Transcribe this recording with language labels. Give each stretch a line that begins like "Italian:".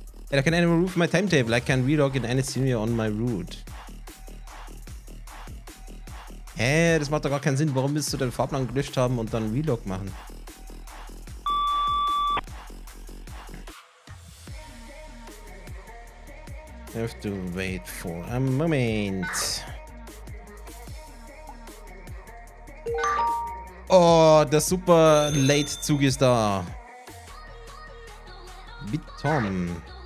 English: Yeah, I can anyone roof my timetable. I can relog in any scenario on my route.
German: Hä, hey, das macht doch gar keinen Sinn. Warum willst du deinen Fahrplan gelöscht haben und dann Relog machen?
English: I have to wait for a moment.
German: Oh, der super Late-Zug ist da. Mit Tom.